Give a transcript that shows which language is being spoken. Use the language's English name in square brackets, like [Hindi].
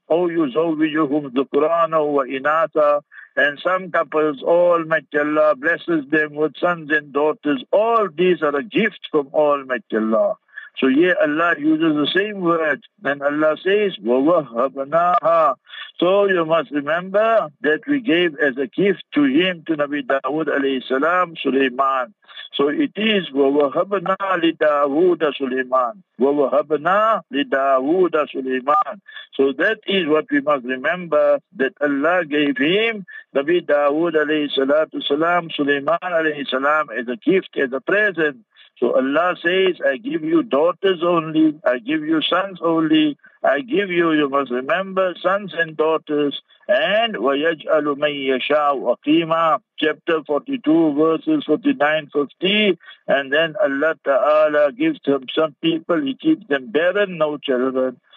[English] Oh, you [Arabic] zawwijuhum dhukrana wa inatha. [English] And some couples, Almighty Allah blesses them with sons and daughters. All these are a gift from Almighty Allah. So yeah, Allah uses the same word. And Allah says, wawahabnaha. So you must remember that we gave as a gift to him, to Nabi Dawood alayhi salam, Sulaiman. So it is [Arabic] وَوَهَبْنَا لِدَاوُودَ سُلَيْمَانَ وَوَهَبْنَا لِدَاوُودَ سُلَيْمَانَ. [English] So that is what we must remember, that Allah gave him, Nabi Dawood alayhi salatu salam, Sulaiman alayhi salam, as a gift, as a present. So Allah says, I give you daughters only, I give you sons only, I give you, you must remember, sons and daughters, and [Arabic] وَيَجْعَلُ مَنْ يَشَاءُ أَقِيمًا, [English] chapter 42, verses 49-50, and then Allah Ta'ala gives them some people, He keeps them barren, no children.